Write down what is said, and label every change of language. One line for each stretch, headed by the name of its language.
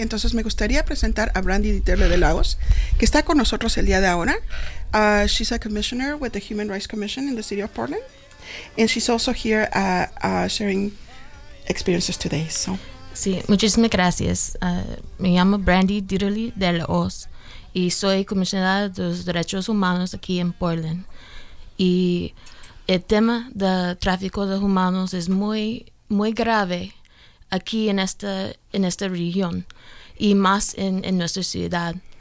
Spanish: Entonces me gustaría presentar a Brandy Dieter Ledalaos, que está con nosotros el día de ahora.
English: She's a commissioner with the Human Rights Commission in the city of Portland, and she's also here sharing experiences today. So.
Spanish: Sí, muchísimas gracias. Me llamo Brandy Dieterle de la Oz y soy comisionada de los derechos humanos aquí en Portland. Y el tema del tráfico de humanos es muy, muy grave aquí en esta región y más en nuestra ciudad.